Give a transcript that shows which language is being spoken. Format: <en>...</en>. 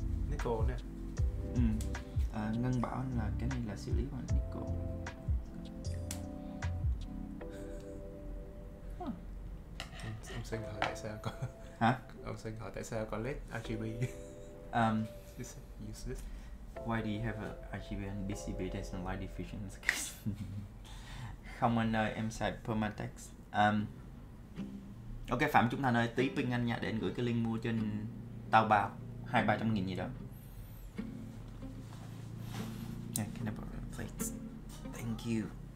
<en>Nickel</en> <vi>nè. Ừ. À, Ngân bảo là cái này là xử lý bằng nickel. Ông xin hỏi tại sao có... Hả? Ông xin hỏi tại sao có LED RGB?</vi> <en>It's useless. Why do you have a RGB and BCB? There's no light diffusion in this case.</en> <vi>Không anh ơi, em xài Permatex. Ok Phạm chúng ta ơi, tí ping anh nha để anh gửi cái link mua trên Taobao 200-300 nghìn gì đó.</vi> <en>Yeah, can I borrow the plates? Thank you.</en>